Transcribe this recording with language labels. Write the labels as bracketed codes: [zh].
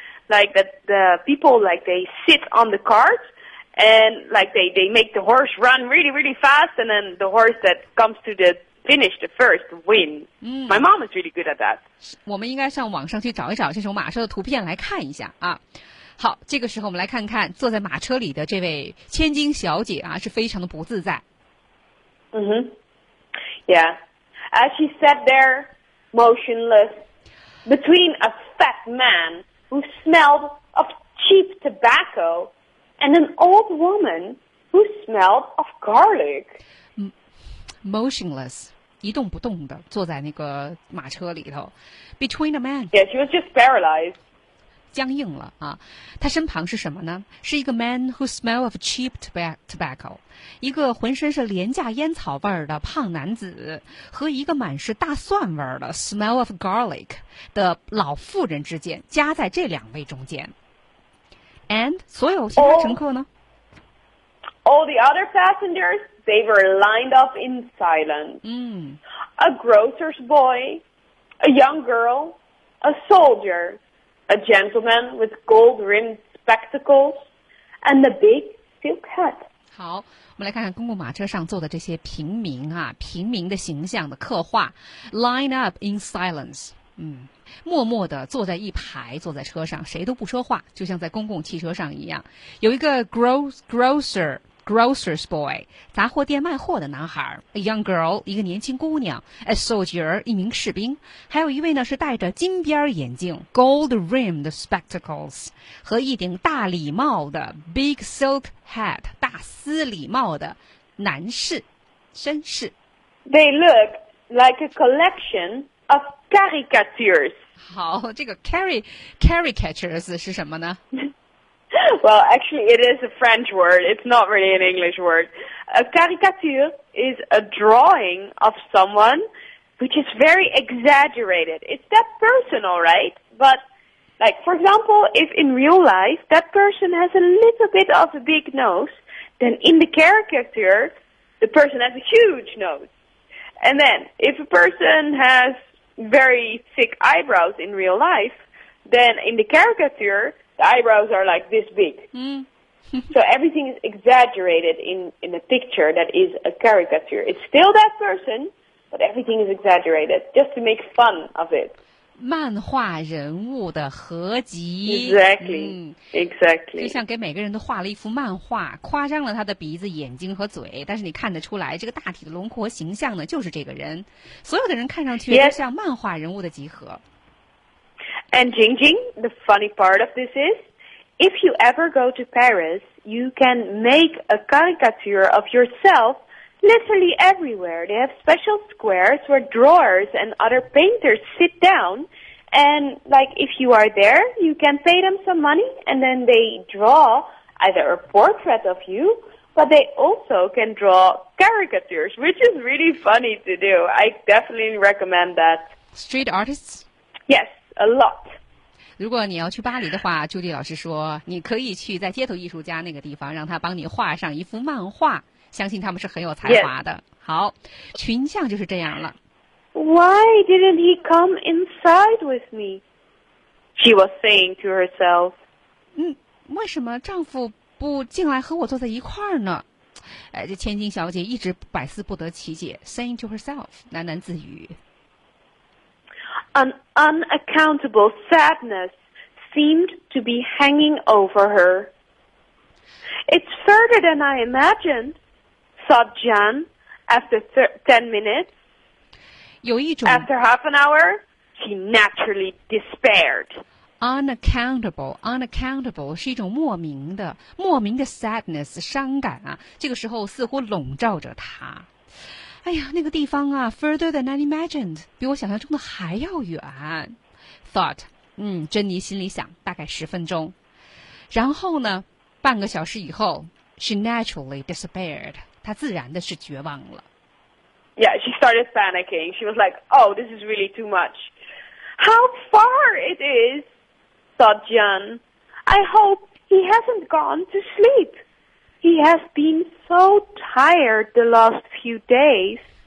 [en] Like that the people, like, they sit on the cart and, like, they make the horse run really, really fast, and then the horse that comes to the finish the first win. My mom is really good at that. [zh] 我们应该上网上去找一找这种马车的图片来看一下啊。好，这个时候我们来看看坐在马车里的这位千金小姐啊，是非常的不自在。 [en] Yeah. As she sat there motionless between a fat man who smelled of cheap tobacco and an old woman who smelled of garlic. Motionless, [zh] 一动不动的坐在那个马车里头 [en] between a man. Yeah, she was just paralyzed. [zh] 僵硬了啊，他身旁是什么呢？是一个 [en] man who smell of cheap tobacco， [zh] 一个浑身是廉价烟草味儿的胖男子，和一个满是大蒜味儿的 [en] smell of garlic [zh] 的老妇人之间，夹在这两位中间。 [en] And [zh] 所有其他乘客呢 [en] ？All the other passengers, they were lined up in silence. A grocer's boy, a young girl, a soldier. A gentleman with gold-rimmed spectacles and a big silk hat. [zh] 好，我们来看看公共马车上坐的这些平民啊，平民的形象的刻画。 Line up in silence. 默默地坐在一排，坐在车上，谁都不说话，就像在公共汽车上一样。有一个 [en] grocer's boy, [zh] 杂货店卖货的男孩。 [en] A young girl, [zh] 一个年轻姑娘。 [en] A soldier, [zh] 一名士兵。还有一位呢是戴着金边眼镜 , [en] gold-rimmed spectacles, [zh] 和一顶大礼帽的 [en] big silk hat, [zh] 大丝礼帽的男士、绅士。 [en] They look like a collection of caricatures. [zh] 好，这个 caricatures 是什么呢？ [en] Well, actually, it is a French word. It's not really an English word. A caricature is a drawing of someone which is very exaggerated. It's that person, all right? But, like, for example, if in real life that person has a little bit of a big nose, then in the caricature, the person has a huge nose. And then, if a person has very thick eyebrows in real life, then in the caricature... The eyebrows are like this big. So everything is exaggerated in a picture that is a caricature. It's still that person, but everything is exaggerated just to make fun of it. [zh] 漫画人物的合集。 [en] Exactly. [zh] 就像给每个人都画了一幅漫画，夸张了他的鼻子、眼睛和嘴，但是你看得出来，这个大体的轮廓形象呢，就是这个人。所有的人看上去都像漫画人物的集合。 [en] Yes. And Jing Jing, the funny part of this is, if you ever go to Paris, you can make a caricature of yourself literally everywhere. They have special squares where drawers and other painters sit down. And, like, if you are there, you can pay them some money, and then they draw either a portrait of you, but they also can draw caricatures, which is really funny to do. I definitely recommend that. Street artists? Yes. A lot. [zh] 如果你要去巴黎的话，朱迪老师说，你可以去在街头艺术家那个地方，让他帮你画上一幅漫画。相信他们是很有才华的。 [en] Yes. [zh] 好，群像就是这样了。 [en] Why didn't he come inside with me? She was saying to herself. [zh] 为什么丈夫不进来和我坐在一块儿呢？哎，这千金小姐一直百思不得其解 ， [en] saying to herself， [zh] 喃喃自语。 [en] An unaccountable sadness seemed to be hanging over her. It's further than I imagined, thought Jan after 10 minutes. [zh] 有一种 [en] After half an hour, she naturally despaired. [zh] Unaccountable 是一种莫名的 sadness, 伤感啊，这个时候似乎笼罩着她。哎呀，那个地方啊 ， [en] further than I imagined， [zh] 比我想象中的还要远。 Thought， 珍妮心里想，大概十分钟。然后呢，半个小时以后 ， [en] she naturally despaired， [zh] 她自然的是绝望了。 [en] Yeah, she started panicking. She was like, "Oh, this is really too much. How far it is?" thought Jan. I hope he hasn't gone to sleep. He has been so tired the last few days.